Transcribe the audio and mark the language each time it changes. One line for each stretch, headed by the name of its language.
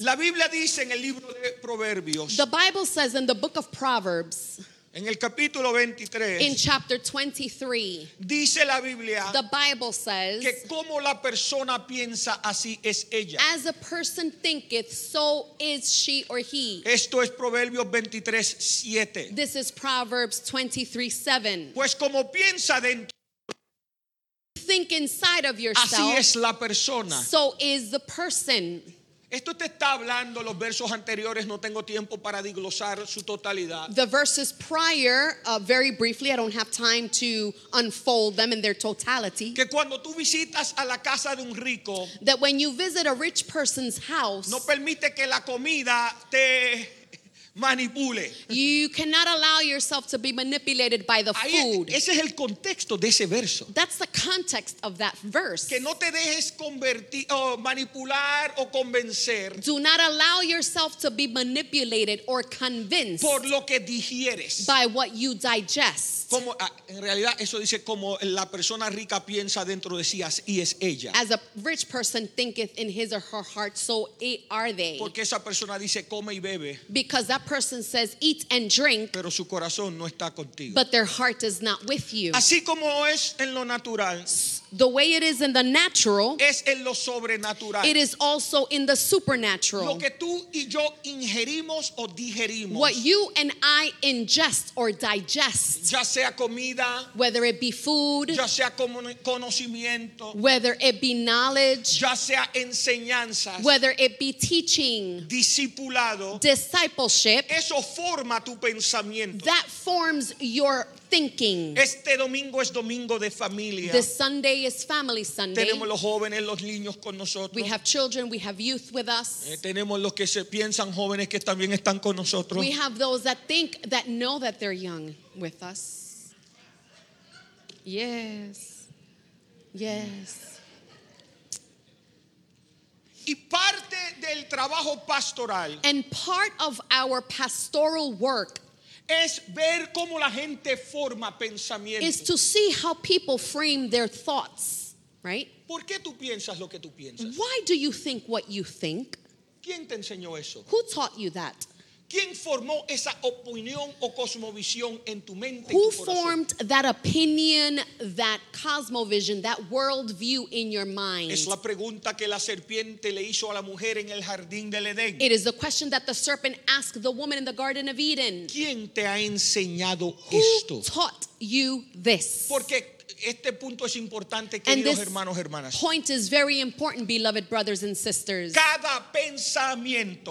Spanish: La Biblia dice en el libro de Proverbios.
English: The Bible says in the book of Proverbs.
Spanish: En el capítulo 23.
English: In chapter 23.
Spanish: Dice la Biblia.
English: The Bible says.
Spanish: Que como la persona piensa, así es ella.
English: As a person thinketh, so is she or he.
Spanish: Esto es Proverbios 23:7.
English: This is Proverbs 23:7.
Spanish: Pues como piensa dentro.
English: Think inside of yourself.
Spanish: Así es la persona.
English: So is the person.
Spanish: Esto te está hablando los versos anteriores. No tengo tiempo para desglosar su totalidad.
English: The verses prior, very briefly, I don't have time to unfold them in their totality.
Spanish: Que cuando tú visitas a la casa de un rico.
English: That when you visit a rich person's house.
Spanish: No permite que la comida te manipule.
English: You cannot allow yourself to be manipulated by the food.
Spanish: Ahí, ese es el contexto de ese verso.
English: That's the context of that verse.
Spanish: Que no te dejes convertir, manipular o convencer.
English: Do not allow yourself to be manipulated or convinced.
Spanish: Por lo que digieres.
English: By what you digest.
Spanish: Como, en realidad eso dice como la persona rica piensa dentro de sí, y es ella.
English: As a rich person thinketh in his or her heart, so are they.
Spanish: Porque esa persona dice come y bebe.
English: Because that person says eat and drink.
Spanish: Pero su corazón no está contigo.
English: But their heart is not with you.
Spanish: Así como es en lo natural.
English: The way it is in the natural.
Spanish: Es en lo sobrenatural.
English: It is also in the supernatural.
Spanish: Lo que tú y yo ingerimos o digerimos.
English: What you and I ingest or digest.
Spanish: Ya sea comida.
English: Whether it be food.
Spanish: Ya sea conocimiento.
English: Whether it be knowledge.
Spanish: Ya sea enseñanzas.
English: Whether it be teaching.
Spanish: Discipulado.
English: Discipleship.
Spanish: Eso forma tu pensamiento.
English: That forms your thinking.
Spanish: Este domingo es domingo de familia.
English: This Sunday is Family Sunday.
Spanish: Tenemos los jóvenes, los niños con nosotros.
English: We have children, we have youth with us.
Spanish: Tenemos los que se piensan jóvenes que también están con nosotros.
English: We have those that think that know that they're young with us. Yes. Yes.
Spanish: Y parte del trabajo pastoral.
English: And part of our pastoral work.
Spanish: Es ver cómo la gente forma pensamientos.
English: Is to see how people frame their thoughts, right?
Spanish: ¿Por qué tú piensas lo que tú piensas?
English: Why do you think what you think?
Spanish: ¿Quién te enseñó eso?
English: Who taught you that?
Spanish: ¿Quién formó esa opinión o cosmovisión en tu mente?
English: Who formed that opinion, that cosmovision, that worldview in your mind?
Spanish: Es la pregunta que la serpiente le hizo a la mujer en el jardín del Edén.
English: It is the question that the serpent asked the woman in the Garden of Eden.
Spanish: ¿Quién te ha enseñado
English: Who
Spanish: esto?
English: Who taught you this?
Spanish: Porque este punto es importante, queridos hermanos, hermanas.
English: Point is very important, beloved brothers and sisters.
Spanish: Cada pensamiento,